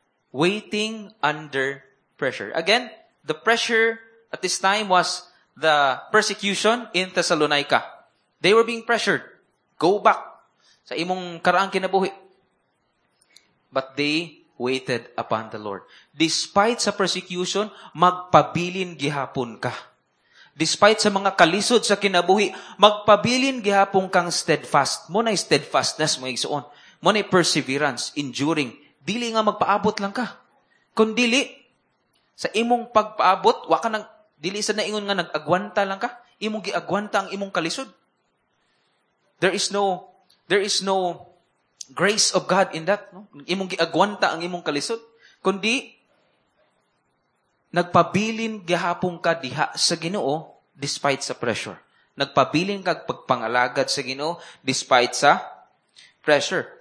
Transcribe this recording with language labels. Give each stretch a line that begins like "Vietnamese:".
English: Waiting under pressure. Again, the pressure at this time was the persecution in Thessalonica. They were being pressured. Go back
Cebuano: sa imong karaang kinabuhi.
English: But they waited upon the Lord.
Cebuano: Despite sa persecution, magpabilin gihapon ka. Despite sa mga kalisod sa kinabuhi, magpabilin gihapon kang steadfast. Muna'y steadfastness mo igsoon. Muna'y perseverance, enduring. Dili nga magpaabot lang ka. Kung dili, sa imong pagpaabot, waka nang dili sa naingon nga nag-agwanta lang ka, imong giagwanta ang imong kalisod.
English: There is no grace of God in that.
Cebuano: No? Imong giagwanta ang imong kalisod. Kundi, nagpabilin gihapon ka diha sa Ginoo despite sa pressure. Nagpabilin ka pagpangalagad sa Ginoo despite sa pressure.